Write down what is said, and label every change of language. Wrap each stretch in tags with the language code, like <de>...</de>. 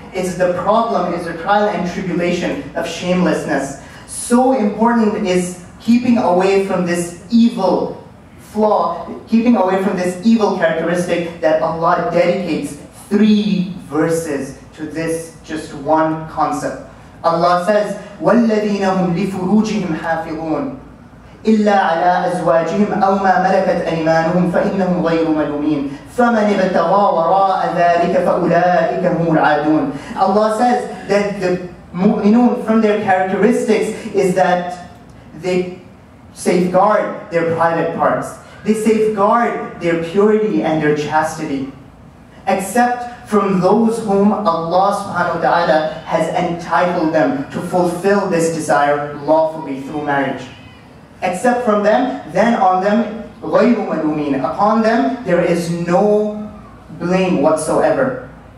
<en>Is the problem, is the trial and tribulation of shamelessness. So important is keeping away from this evil flaw, keeping away from this evil characteristic that Allah dedicates three verses to this just one concept. Allah says,</en> <ar>وَالَّذِينَ هُمْ لِفُرُوجِهِمْ حَافِظُونَ إِلَّا عَلَىٰ أَزْوَاجِهِمْ أَوْ مَا مَلَكَتْ أَيْمَانُهُمْ فَإِنَّهُمْ غَيْرُ مَلُومِينَ فَمَنِ ابْتَغَى وَرَاءَ ذَٰلِكَ فَأُولَٰئِكَ هُمُ الْعَادُونَ</ar> <en>Allah says that the mu'minun, from their characteristics, is that they safeguard their private parts. They safeguard their purity and their chastity. Except from those whom Allah subhanahu wa ta'ala has entitled them to fulfill this desire lawfully through marriage. Except from them, then on them,</en> <ar>غَيْرُ مَلُومِينَ</ar> <en>Upon them, there is no blame whatsoever.</en>